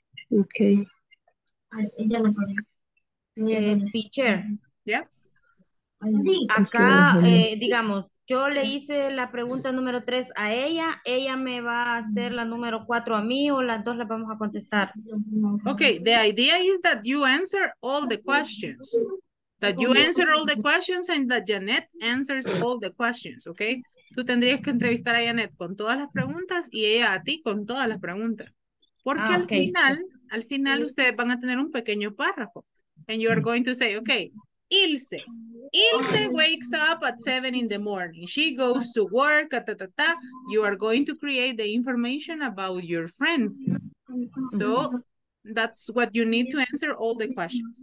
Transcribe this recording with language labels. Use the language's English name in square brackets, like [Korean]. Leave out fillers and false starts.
[English] Okay. Teacher. Yeah. [Spanish] Acá digamos, yo le hice la pregunta número 3 a ella, ella me va a hacer la número 4 a mí o las dos las vamos a contestar. [English] Okay, the idea is that you answer all the questions. That you answer all the questions and that Janet answers all the questions, okay? [Spanish] Tú tendrías que entrevistar a Janet con todas las preguntas y ella a ti con todas las preguntas. Porque al final ustedes van a tener un pequeño párrafo. [English] And you are going to say, okay, Ilse wakes up at 7 in the morning. She goes to work, You are going to create the information about your friend. So that's what you need to answer all the questions.